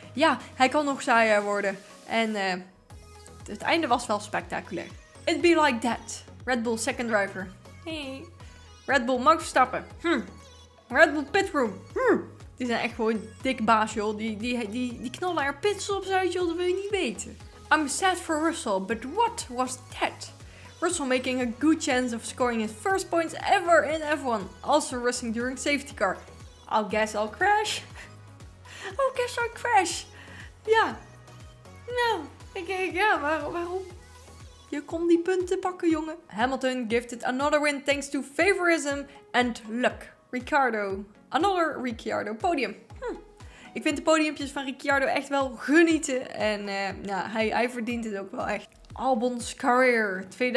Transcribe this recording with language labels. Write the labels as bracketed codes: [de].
[nl] Ja, hij kan nog saaier worden. En het einde was wel spectaculair. [en] It'd be like that. Red Bull second driver. Hey. Red Bull Max Verstappen. Red Bull pitroom. [nl] Die zijn echt gewoon dik baas, joh. Die knallen er pitstops uit, joh. Dat wil je niet weten. [en] I'm sad for Russell, but what was that? Russell making a good chance of scoring his first points ever in F1. Also racing during safety car. I'll guess I'll crash. Ja. [nl] Nou, ik ja, waarom? Je kon die punten pakken, jongen. [en] Hamilton gifted another win thanks to favorism and luck. Ricciardo. Another Ricciardo podium. [nl] Ik vind de podiumpjes van Ricciardo echt wel genieten. En hij verdient het ook wel echt. [en] Albon's career 2019-2020.